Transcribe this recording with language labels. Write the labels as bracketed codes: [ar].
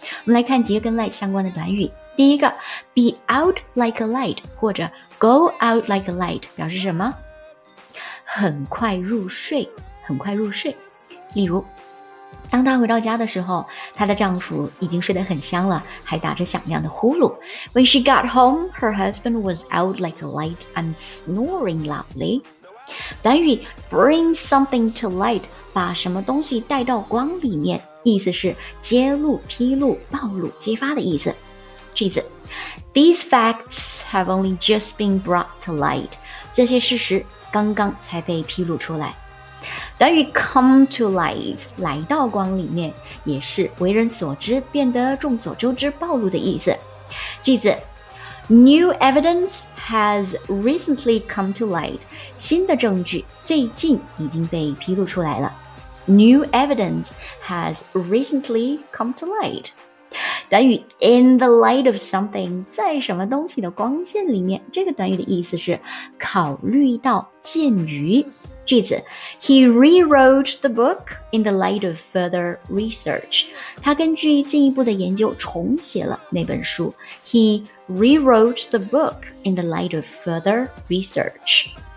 [zh] 我们来看几个跟 light 相关的短语。第一个 [en] be out like a light [zh] 或者 [en] go out like a light [zh] 表示什么？很快入睡，很快入睡。例如，当她回到家的时候，她的丈夫已经睡得很香了，还打着响亮的呼噜。 [en] When she got home, her husband was out like a light and snoring loudly. [zh] 短语 [en] bring something to light, [zh] 把什么东西带到光里面，意思是揭露、披露、暴露、揭发的意思。 [en] 句子 These facts have only just been brought to light. [zh] 这些事实刚刚才被披露出来。短语 [en] come to light, [zh] 来到光里面，也是为人所知，变得众所周知，暴露的意思。 [en] 句子 New evidence has recently come to light. [zh] 新的证据最近已经被披露出来了。 [en] New evidence has recently come to light. [zh] 短语 [en] in the light of something [zh] 在什么东西的光线里面，这个短语的意思是考虑到鉴于。 [en] 句子 He rewrote the book in the light of further research. [zh] 他根据进一步的研究重写了那本书。 [en] He rewrote the book in the light of further research.